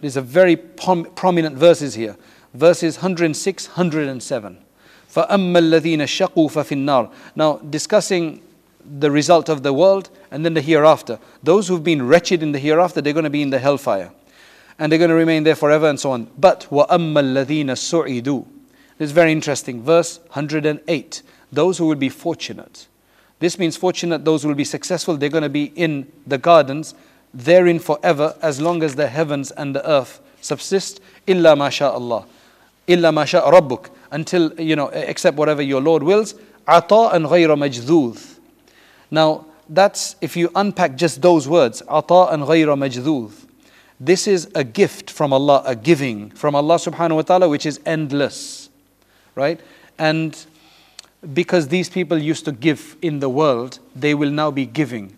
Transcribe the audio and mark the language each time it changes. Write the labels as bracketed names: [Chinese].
[English] There's a very prominent verses here. Verses 106, 107. [Arabic] فَأَمَّا الَّذِينَ شَقُوا فَفِي النَّارِ. [English] Now, discussing the result of the world and then the hereafter. Those who've been wretched in the hereafter, they're going to be in the hellfire. And they're going to remain there forever and so on. [Arabic] But وَأَمَّا الَّذِينَ سُعِدُوا. [English] This is very interesting. Verse 108. Those who will be fortunate. This means fortunate, those who will be successful, they're going to be in the gardens, therein forever, as long as the heavens and the earth subsist. [Arabic] إِلَّا مَا شَاءَ اللَّهُ. إِلَّا مَا شَاءَ رَبُّكَ. [English] Until, you know, except whatever your Lord wills. [Arabic] عَطَاءً and غَيْرَ مَجْذُوذ. [English] Now, that's, if you unpack just those words, [Arabic] عَطَاءً and غَيْرَ مَجْذُوذ. [English] This is a gift from Allah, a giving from Allah subhanahu wa ta'ala, which is endless, right? And because these people used to give in the world, they will now be giving.